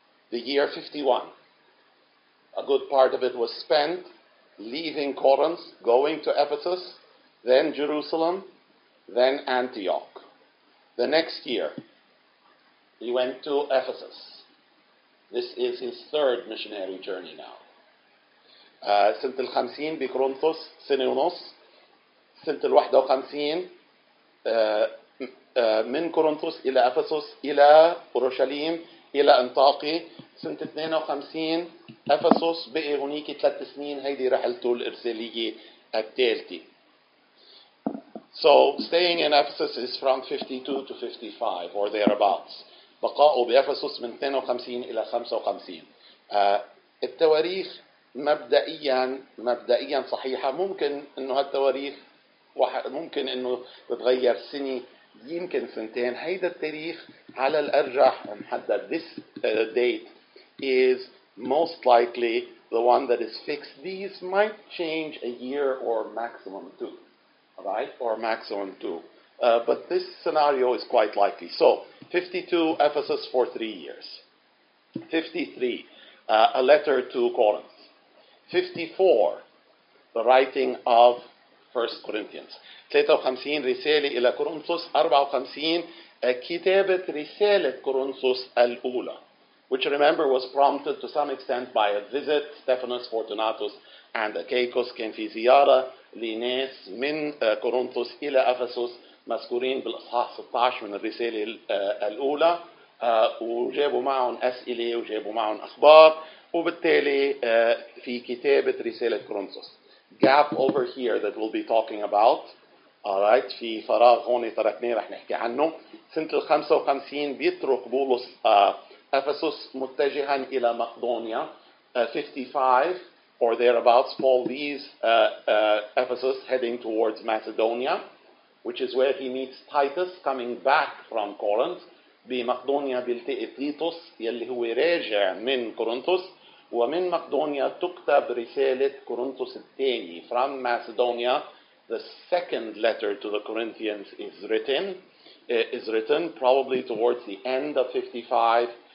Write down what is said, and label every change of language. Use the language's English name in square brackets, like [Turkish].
[English] The year 51, a good part of it was spent leaving Corinth, going to Ephesus, then Jerusalem, then Antioch. The next year, he went to Ephesus. This is his third missionary journey now. [Arabic] سنة الخمسين بكورنثوس سنة ونص. سنة الواحدة وخمسين من كورنثوس إلى أفسس إلى أورشليم إلى أنطاكية. سنة 52 أفسس بقي هنيك 3 سنين. هيدي رحلته الإرسالية الثالثة. [English] So staying in Ephesus is from 52 to 55 or thereabouts. [Arabic] بقاؤه بأفسس من 52 إلى 55. التواريخ مبدئيا صحيحة. ممكن إنه هالتواريخ ممكن إنه تتغير سنة، يمكن سنتين. هيدا التاريخ على الأرجح محدد. [English] This date is most likely the one that is fixed. These might change a year or maximum two. Right? Or maximum two. But this scenario is quite likely. So, 52 Ephesus for 3 years. 53, a letter to Corinth. 54, the writing of 1 Corinthians. [Arabic] 53, رسالة إلى كورنثوس. 54, كتابة رسالة كورنثوس الأولى. [English] Which, remember, was prompted to some extent by a visit, Stephanus, Fortunatus, and Achaicus. [Arabic] كان في زيارة لناس من كورنثوس إلى أفسس مذكورين بالإصحاح 16 من الرسالة الأولى. وجابوا معهم أسئلة وجابوا معهم أخبار. وبالتالي في كتابة رسالة كورنثوس. [English] Gap over here that we'll be talking about. [Arabic] Alright, في فراغ هون تركناه رح نحكي عنه. سنة 55 بيترك بولس أفسس متجها إلى مقدونيا. [English] 55 or thereabouts, Paul leaves Ephesus heading towards Macedonia, which is where he meets Titus coming back from Corinth. [Arabic] بمقدونيا بيلتقي تيتوس يلي هو راجع من كورنثوس. ومن مقدونيا تكتب رسالة كورنثوس الثاني. [English] From Macedonia, the second letter to the Corinthians is written probably towards the end of 55.